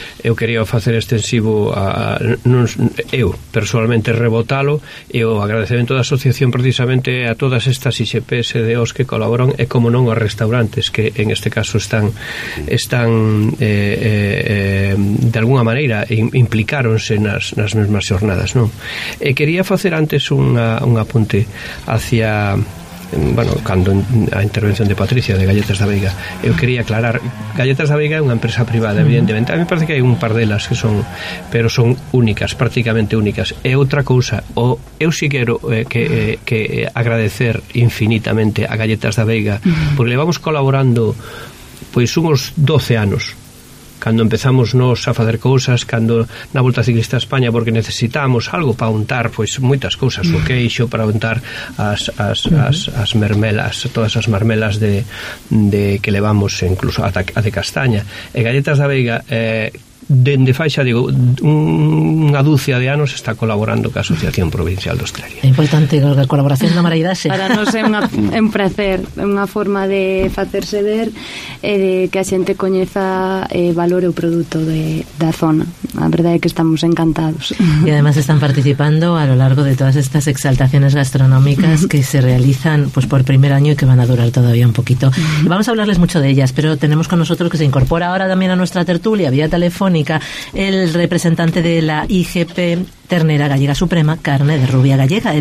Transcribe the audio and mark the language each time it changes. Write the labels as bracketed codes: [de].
[gl] Eu quería facer extensivo eu personalmente rebotalo, e o agradecemento da asociación precisamente a todas estas ISPs e DOs que colaboran, e como non aos restaurantes que en este caso están de alguna maneira implicáronse nas mesmas xornadas, non? E quería facer antes un apunte hacia, bueno, cando a intervención de Patricia de Galletas da Veiga. Eu quería aclarar, Galletas da Veiga é unha empresa privada, evidentemente. A mí parece que hai un par delas que son, pero son únicas, prácticamente únicas. E outra cousa, eu si quero que agradecer infinitamente a Galletas da Veiga, porque levamos colaborando pois uns 12 anos. Cando empezamos nos a facer cousas, cando na Volta Ciclista a España, porque necesitamos algo para untar, pois moitas cousas, o queixo para untar as mermelas, todas as marmelas de que levamos, incluso a de castaña. E Galletas da Veiga, dende fai xa, digo, unha dúcia de anos está colaborando coa Asociación Provincial de Hostelería. É importante a colaboración da Maraidase. Para nos é un prazer, é unha forma de facerse ver de que a xente coñeza valore o produto da zona. A verdade é que estamos encantados. [es] E ademais están participando a lo largo de todas estas exaltaciones gastronómicas que se realizan pues, por primer año e que van a durar todavía un poquito. Vamos a hablarles mucho de ellas, pero tenemos con nosotros que se incorpora ahora también a nuestra tertulia vía teléfono el representante de la IGP Ternera Gallega Suprema, Carne de Rubia Gallega.